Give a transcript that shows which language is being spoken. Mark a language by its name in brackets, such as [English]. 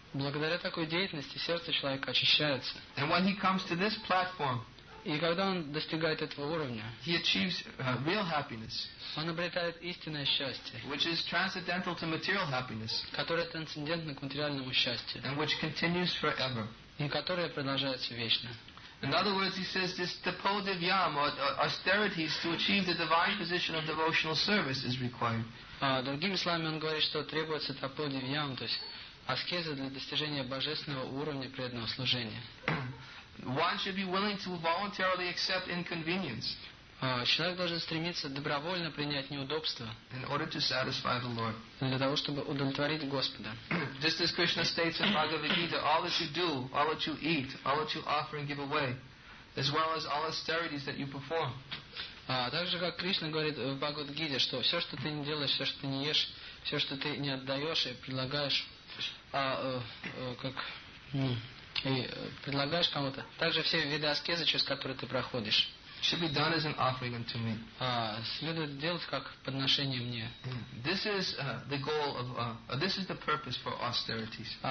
[Russian] Благодаря такой деятельности сердце человека очищается. [English] And when he comes to this platform. [Russian] И когда он достигает этого уровня, [English] he achieves, real happiness, [Russian] он обретает истинное счастье, [English] which is transcendental to material happiness, [Russian] которое трансцендентно к материальному счастью, [English] and which continues forever, [Russian] и которое продолжается вечно. [English] In other words, he says this tapo devyam, or austerities to achieve the divine position of devotional service is required. [Russian] Другими словами, он говорит, что требуется тапо девьям, то есть аскезы для достижения божественного уровня преданного служения. [English] One should be willing to voluntarily accept inconvenience. [Russian] Человек должен стремиться добровольно принять неудобства. [English] In order to satisfy the Lord. [Russian] Для того, чтобы удовлетворить Господа. [English] Just as Krishna states in Bhagavad Gita, all that you do, all that you eat, all that you offer and give away, as well as all austerities that you perform. [Russian] Так же, как Кришна говорит в Бхагавад Гите, что все, что ты не делаешь, все, что ты не ешь, все, что ты не отдаешь и предлагаешь, как и предлагаешь кому-то. Также все виды аскезы, через которые ты проходишь. [English] Should be done as an offering to me. [Russian] Следует делать как подношение мне. [English] This is the goal of this is the purpose for austerities.